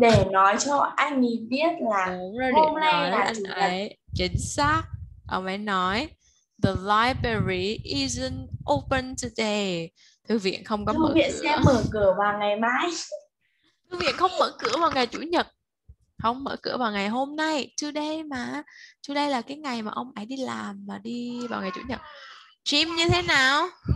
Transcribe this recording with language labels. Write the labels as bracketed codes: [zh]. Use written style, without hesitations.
[vi] Để nói cho anh ấy biết là rồi, hôm nay là chủ nhật. Chính xác. Ông ấy nói [en] the library isn't open today. [vi] Thư viện không có mở cửa. Thư viện sẽ mở cửa vào ngày mai. Thư viện không mở cửa vào ngày chủ nhật. Không mở cửa vào ngày hôm nay. Today mà. Today là cái ngày mà ông ấy đi làm mà đi vào ngày chủ nhật. Jim như thế nào?